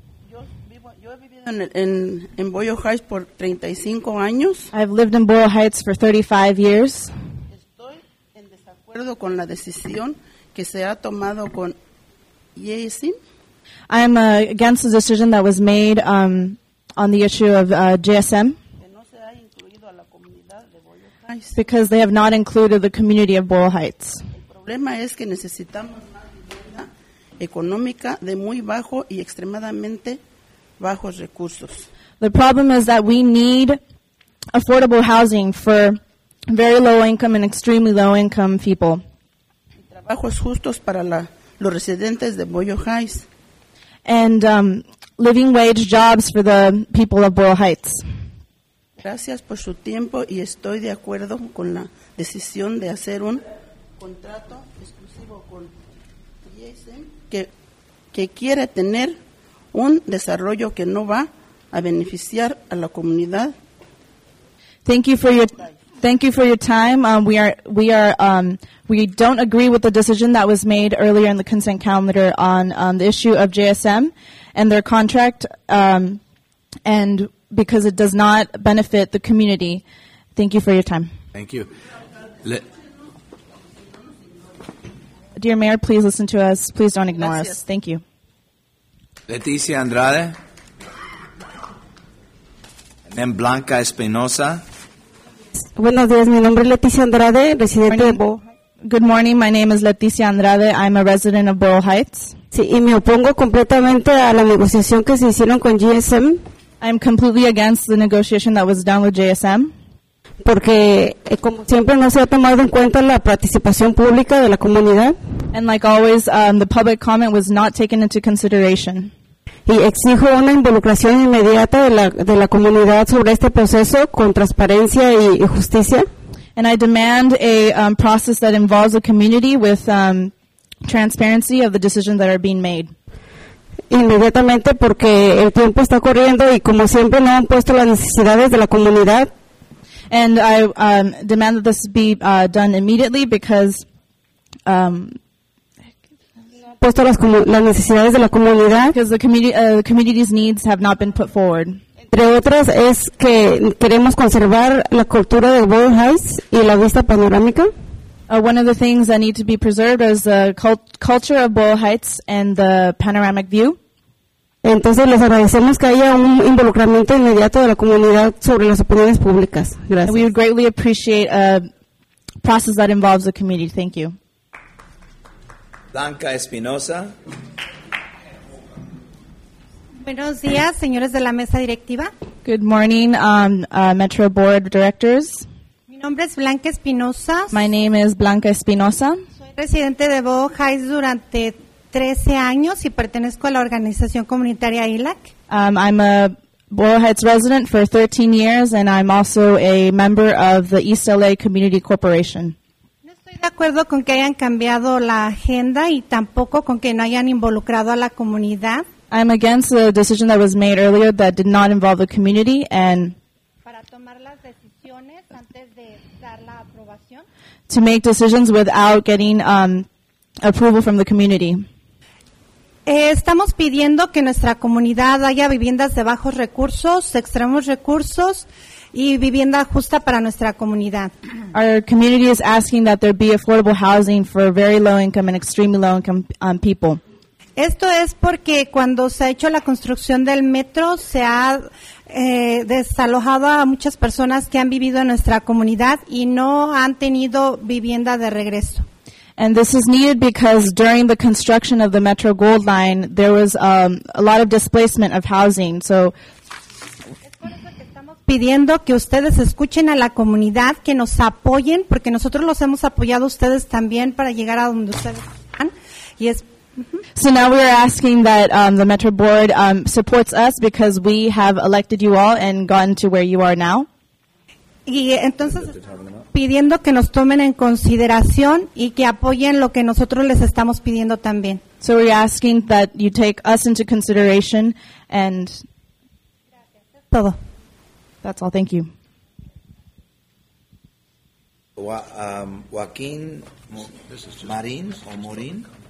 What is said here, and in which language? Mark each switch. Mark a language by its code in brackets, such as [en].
[es] Yo he vivido en Boyle Heights por 35 años. [en] I've lived in Boyle Heights for 35 years. [es] Estoy en desacuerdo con la decisión que se ha tomado con JSM. [en] I'm against the decision that was made on the issue of JSM. [es] Que no se ha incluido a la comunidad de Boyle Heights. [en] Because they have not included the community of Boyle Heights. [es] El problema es que necesitamos una vivienda económica de muy bajo y extremadamente bajos recursos. [en] The problem is that we need affordable housing for very low income and extremely low income people. [es] Trabajos justos para los residentes de Boyle Heights. [en] And living wage jobs for the people of Boyle Heights. [es] Gracias por su tiempo y estoy de acuerdo con la decisión de hacer un contrato exclusivo con JSM que quiere tener un desarrollo que no va a beneficiar a la comunidad. [en] Thank you for your time. We don't agree with the decision that was made earlier in the consent calendar on the issue of JSM and their contract, and because it does not benefit the community. Thank you for your time. Thank you. Dear Mayor, please listen to us. Please don't ignore us. Thank you. Leticia Andrade. And then Blanca Espinosa. [es] Buenos días, mi nombre es Leticia Andrade, residente de Boyle Heights. [en] Good morning, my name is Leticia Andrade. I'm a resident of Boyle Heights. [es] Sí, y me opongo completamente a la negociación que se hicieron con GSM. [en] I'm completely against the negotiation that was done with JSM. [es] Porque como siempre no se ha tomado en cuenta la participación pública de la comunidad. [en] And like always, the public comment was not taken into consideration. [es] Y exijo una involucración inmediata de la comunidad sobre este proceso con transparencia y justicia. [en] And I demand a process that involves a community with transparency of the decisions that are being made. [es] Inmediatamente porque el tiempo está corriendo y como siempre no han puesto las necesidades de la comunidad. [en] And I demand that this be done immediately because [es] puesto las necesidades de la comunidad. [en] Because the community's needs have not been put forward. [es] Entre otras es que queremos conservar la cultura de Bowen Heights y la vista panorámica. [en] One of the things that need to be preserved is the culture of Bowen Heights and the panoramic view. [es] Entonces les agradecemos que haya un involucramiento inmediato de la comunidad sobre las opiniones públicas. Gracias. [en] And we would greatly appreciate a process that involves the community. Thank you. Blanca Espinosa. [es] Buenos días, señores de la mesa directiva. [en] Good morning, Metro Board Directors. [es] Mi nombre es Blanca Espinosa. [en] My name is Blanca Espinosa. [es] Soy residente de Bowen Heights durante 13 años y pertenezco a la organización comunitaria ILAC. [en] I'm a Bowen Heights resident for 13 years and I'm also a member of the East LA Community Corporation. [es] No estoy de acuerdo con que hayan cambiado la agenda y tampoco con que no hayan involucrado a la comunidad. [en] I'm against the decision that was made earlier that did not involve the community and [es] para tomar las decisiones antes de dar la aprobación. [en] To make decisions without getting approval from the community. [es] Estamos pidiendo que nuestra comunidad haya viviendas de bajos recursos, extremos recursos y vivienda justa para nuestra comunidad. [en] Our community is asking that there be affordable housing for very low income and extremely low income people. [es] Esto es porque cuando se ha hecho la construcción del metro se ha desalojado a muchas personas que han vivido en nuestra comunidad y no han tenido vivienda de regreso. [en] And this is needed because during the construction of the Metro Gold Line there was a lot of displacement of housing. So [es] pidiendo que ustedes escuchen a la comunidad, que nos apoyen porque nosotros los hemos apoyado ustedes también para llegar a donde ustedes están y es. [en] So now we are asking that the Metro Board supports us because we have elected you all and gotten to where you are now. [es] Y entonces pidiendo que nos tomen en consideración y que apoyen lo que nosotros les estamos pidiendo también. [en] So we're asking that you take us into consideration and [es] gracias. Todo. [en] That's all. Thank you. Joaquín Marín o Morín.